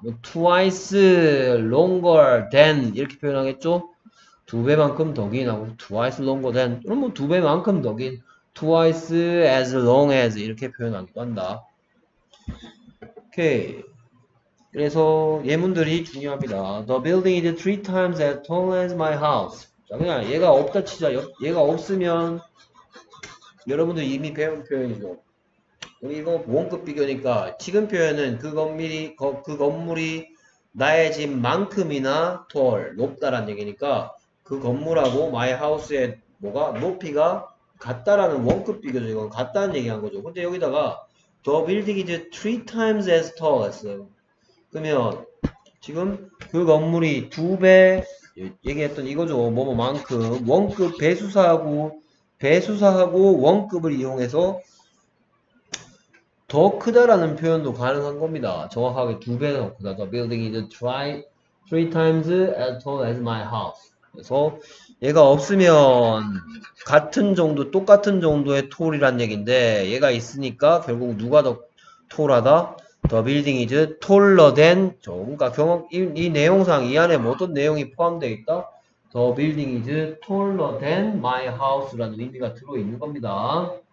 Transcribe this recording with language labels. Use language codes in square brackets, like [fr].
[ko] 뭐 [en] twice longer than [ko] 이렇게 표현하겠죠? 두 배만큼 더 긴 하고 [en] twice longer than [ko] 그럼 뭐 두 배만큼 더 긴 [en] twice as long as [ko] 이렇게 표현하기도 한다. 오케이. 그래서 예문들이 중요합니다. [en] The building is three times as tall as my house. [ko] 자, 그냥 얘가 없다 치자. 얘가 없으면 여러분들 이미 배운 표현이죠. 이거 원급 비교니까 지금 표현은 그 건물이 나의 집만큼이나 tall, 높다라는 얘기니까 그 건물하고 my house의 뭐가 높이가 같다라는 원급 비교죠. 이건 같다는 얘기한 거죠. 근데 여기다가 [en] The building is three times as tall [ko] 했어요. 그러면 지금 그 건물이 두 배 얘기했던 이거죠. 뭐뭐만큼 원급 배수사하고 원급을 이용해서 더 크다라는 표현도 가능한 겁니다. 정확하게 두 배 더 크다. [en] The building is three times as tall as my house. [ko] 그래서 얘가 없으면 똑같은 정도의 톨이란 얘긴데 얘가 있으니까 결국 누가 더 톨하다? [en] The building is taller than [ko] 저 그러니까 이 내용상 이 안에 뭐 어떤 내용이 포함되어 있다? [en] The building is taller than my house [ko] 라는 의미가 들어있는 겁니다.